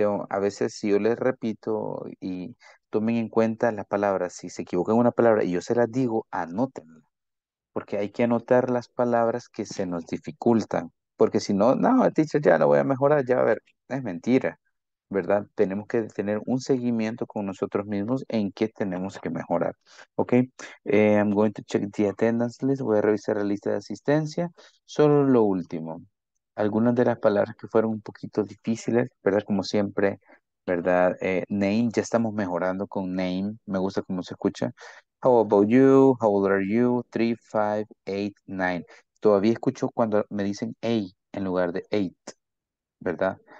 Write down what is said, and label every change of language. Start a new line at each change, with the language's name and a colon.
Spanish: A veces si yo les repito y tomen en cuenta las palabras, si se equivocan una palabra y yo se las digo, anótenla. Porque hay que anotar las palabras que se nos dificultan. Porque si no, no, teacher, ya lo voy a mejorar, ya a ver, es mentira. ¿Verdad? Tenemos que tener un seguimiento con nosotros mismos en qué tenemos que mejorar.
English: Ok, I'm going to check the attendance list.
Spanish: Voy a revisar la lista de asistencia. Solo lo último. Algunas de las palabras que fueron un poquito difíciles, ¿verdad? Como siempre, ¿verdad? Name, ya estamos mejorando con name. Me gusta cómo se escucha.
English: How about you? How old are you? 3, 5, 8, 9.
Spanish: Todavía escucho cuando me dicen A en lugar de 8. ¿Verdad?